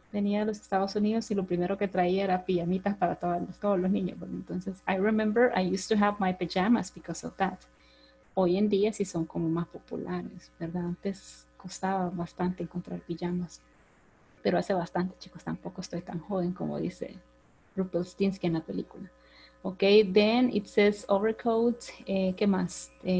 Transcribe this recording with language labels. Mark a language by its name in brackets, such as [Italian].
[Spanish] Venía de los Estados Unidos y lo primero que traía era pijamitas para todos los niños. Bueno, entonces, [English] I remember I used to have my pajamas because of that. [Spanish] Hoy en día sí son como más populares, ¿verdad? Antes costaba bastante encontrar pijamas. Pero hace bastante, chicos, tampoco estoy tan joven como dice Rumpelstiltskin en la película. [English] Ok, then it says overcoat. [Spanish] ¿Qué más?